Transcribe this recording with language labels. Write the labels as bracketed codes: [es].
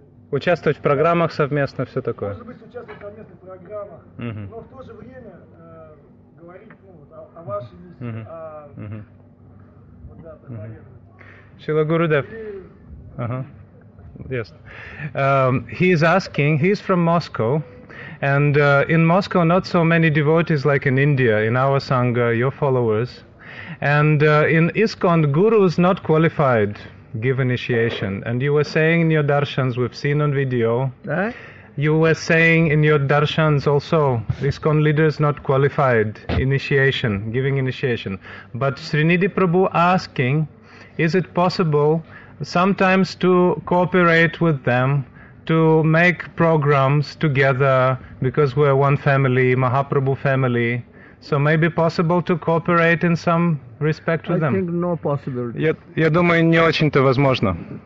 [ru] Участвовать в программах совместно, все такое. Может быть, участвовать в совместных программах, но в то же время говорить, ну, о вашей миссии, Шрила Гурудев. [en] Yes. He is asking, he is from Moscow, and in Moscow not so many devotees like in India, in our Sangha, your followers. And in ISKCON, Guru is not qualified. give initiation. And you were saying in your darshans, we've seen on video, you were saying in your darshans also, ISKCON leaders not qualified, initiation, giving initiation. But Srinidhi Prabhu asking, is it possible sometimes to cooperate with them, to make programs together, because we're one family, Mahaprabhu family, so maybe possible to cooperate in some respect with them? I think no possibility. [ru] Я думаю, не очень-то возможно.